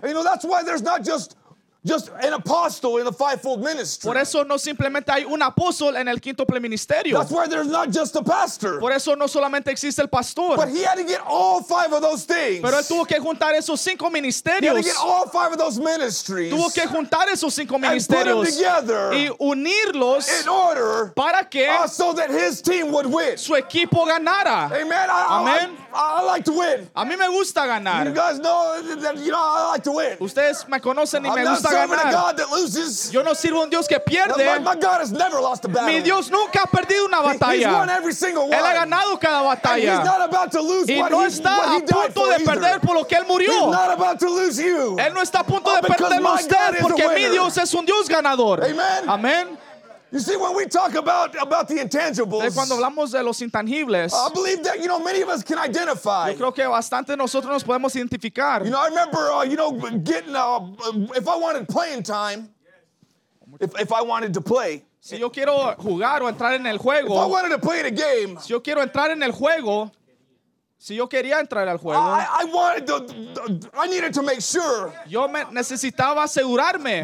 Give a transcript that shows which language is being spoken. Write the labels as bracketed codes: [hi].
[en] You know, that's why there's not just an apostle in the fivefold ministry. [es] Por eso no simplemente hay un apóstol en el quíntuple ministerio. [en] That's why there's not just a pastor. [es] Por eso no solamente existe el pastor. [en] But he had to get all five of those things. [es] Pero él tuvo que juntar esos cinco ministerios. [en] He had to get all five of those ministries. [es] Tuvo que juntar esos cinco ministerios. [en] And put them together. [es] Y unirlos. [en] In order. [es] Para que. [en] So that his team would win. [es] Su equipo ganara. [en] Amen. Amen. I like to win. [es] A mí me gusta ganar. [en] You guys know that, you know, I like to win. [es] Ustedes me conocen y me gusta. [en] I'm serving a God that loses. [es] Yo no sirvo un Dios que pierde. [en] My God has never lost a battle. [es] Mi Dios nunca ha perdido una batalla. [en] He's won every single one. [es] Él ha ganado cada batalla. [en] And he's not about to lose [es] y no está a punto de perder por lo que él murió. [en] He's not about to lose you. [es] Él no está a punto de perderlo usted porque mi Dios es un Dios ganador. [en] Amen. [es] Amen. [en] You see, when we talk about the intangibles, [es] cuando hablamos de los intangibles, [en] I believe that, you know, many of us can identify. [es] Yo creo que bastante nosotros nos podemos identificar. [en] You know, I remember, you know, getting, if I wanted playing time, if I wanted to play, [es] si yo quiero jugar o entrar en el juego, [en] if I wanted to play in a game, [es] si yo quiero entrar en el juego, si yo quería entrar al juego, [en] I wanted to, I needed to make sure, [es] yo necesitaba asegurarme,